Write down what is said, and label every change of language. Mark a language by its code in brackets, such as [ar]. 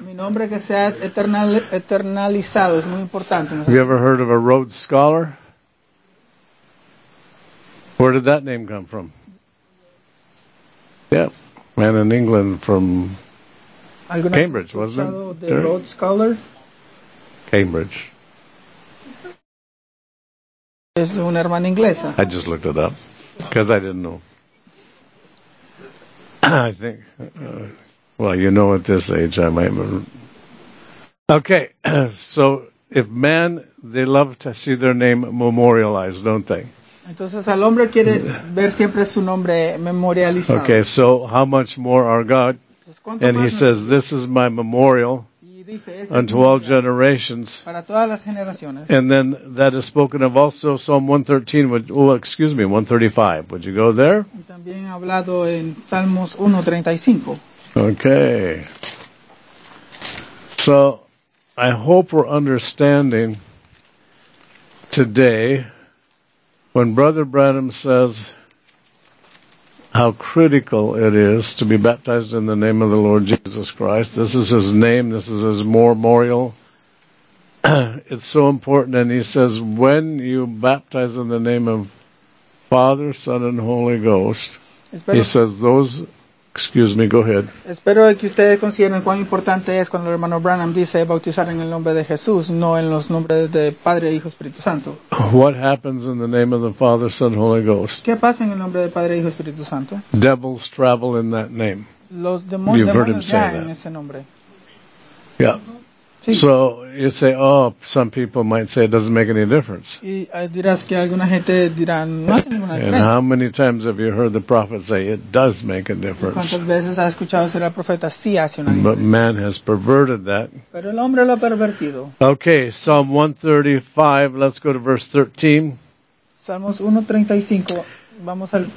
[es] Mi nombre que sea eternalizado es muy importante. [en] Have you ever heard of a Rhodes Scholar? Where did that name come from? Yeah, man in England from Cambridge, wasn't it? The Rhodes Scholar? Cambridge. [es] Es una hermana inglesa. [en] I just looked it up because I didn't know. I think. Well, you know, at this age, I might. Okay, so if men, they love to see their name memorialized, don't they? [es] Entonces, al hombre quiere ver siempre su nombre memorializado. [en] Okay, so how much more our God? [es] Entonces, [en] and he says, this is my memorial unto memorial all generations. [es] Para todas las generaciones. [en] And then that is spoken of also Psalm 113, 135. Would you go there? [es] También hablado en Salmos 135. [en] Okay, so I hope we're understanding today when Brother Branham says how critical it is to be baptized in the name of the Lord Jesus Christ. This is his name, this is his memorial. It's so important, and he says when you baptize in the name of Father, Son, and Holy Ghost, he says those... Excuse me, go ahead. [es] Espero que ustedes consideren cuán importante es cuando el hermano Branham dice bautizar en el nombre de Jesús, no en los nombres de Padre, Hijo, Espíritu Santo. [en] What happens in the name of the Father, Son, Holy Ghost? [es] ¿Qué pasa en el nombre de Padre, Hijo, Espíritu Santo? [en] Devils travel in that name. [es] Los demonios viajan en ese nombre. [en] Yeah. Sí. So you say, oh, some people might say it doesn't make any difference. [es] Y dirás que alguna gente dirá, no hace ninguna diferencia. [en] And how many times have you heard the prophet say it does make a difference? [es] ¿Cuántas veces has escuchado ser el profeta? Sí, hace una diferencia. [en] But man has perverted that. [es] Pero el hombre lo ha pervertido. [en] Okay, Psalm 135, let's go to verse 13. [es] Salmos 135, vamos al...